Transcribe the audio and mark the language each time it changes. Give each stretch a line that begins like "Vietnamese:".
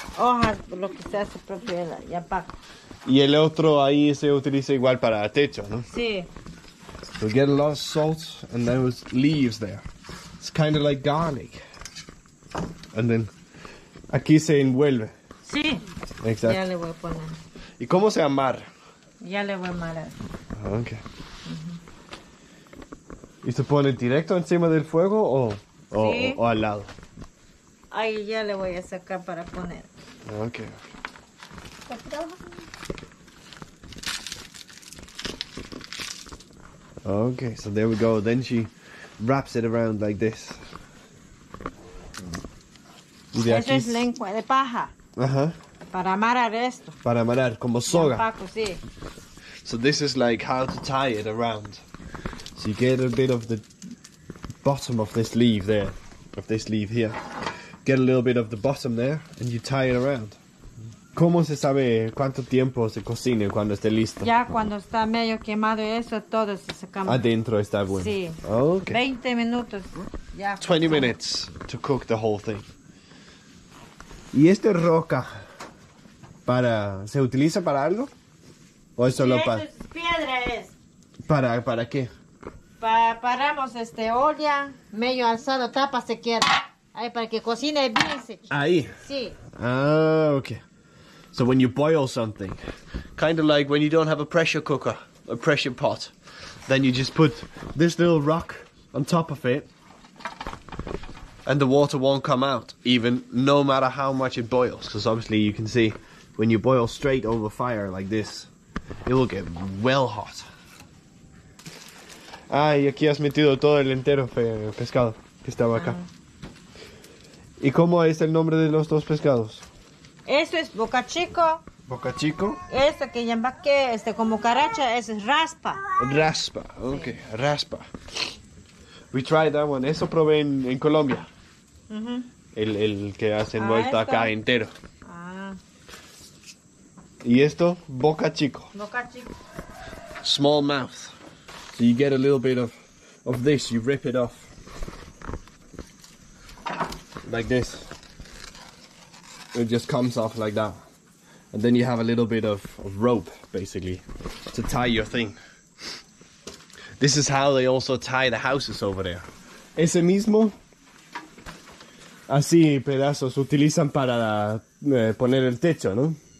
Spanish: Hojas, lo que se hace propio de la yapaco. Y el otro ahí se utiliza igual para techo, ¿no? Sí.
English: So get a lot of salt and then there's leaves there. It's kind of like garlic. And then
Spanish: aquí se envuelve. Sí. Exacto. Ya le voy a poner. ¿Y cómo se amarra? Ya le voy a amarrar. Ok. Uh-huh. ¿Y se pone directo encima del fuego o al lado? Ahí ya le voy a sacar para poner. Ok.
English: Okay, so there we go. Then she wraps it around like this.
Spanish: Eso es lengua de paja. Ajá. Para amarrar esto. Para amarrar, como soga. Paco, sí.
English: So this is like how to tie it around. So you get a bit of the bottom of this leaf there, of this leaf here. Get a little bit of the bottom there, and you tie it around.
Spanish: ¿Cómo se sabe cuánto tiempo se cocina cuando esté listo? Ya cuando está medio quemado eso, todo se saca. Adentro está bueno. Sí. Okay. 20 minutos. Ya.
English: 20 minutes to cook the whole thing.
Spanish: ¿Y esta roca se utiliza para algo? ¿O es solo para...? Sí, es piedra es. ¿Para qué? Paramos este olla, medio alzado, tapa se queda. Ahí, para que cocine bien. ¿Ahí? Sí. Ah, ok.
English: So when you boil something, kind of like when you don't have a pressure cooker, a pressure pot, then you just put this little rock on top of it and the water won't come out, even no matter how much it boils. Because obviously you can see when you boil straight over fire like this, it will get well hot.
Spanish: Ah, y aquí has metido todo el entero pescado que estaba acá. ¿Y cómo es el nombre de los dos pescados? Esto es boca chico. ¿Boca chico? Esto que llama que este como caracha, es raspa. Raspa, ok, sí. Raspa.
English: We tried that one,
Spanish: eso probé en Colombia. Uh-huh. El que hacen vuelta acá entero. Ah. ¿Y esto? Boca chico. Boca chico.
English: Small mouth. So you get a little bit of this, you rip it off. Like this. It just comes off like that. And then you have a little bit of rope, basically, to tie your thing. This is how they also tie the houses over there.
Spanish: Ese mismo Así, pedazos, utilizan para poner el techo, ¿no?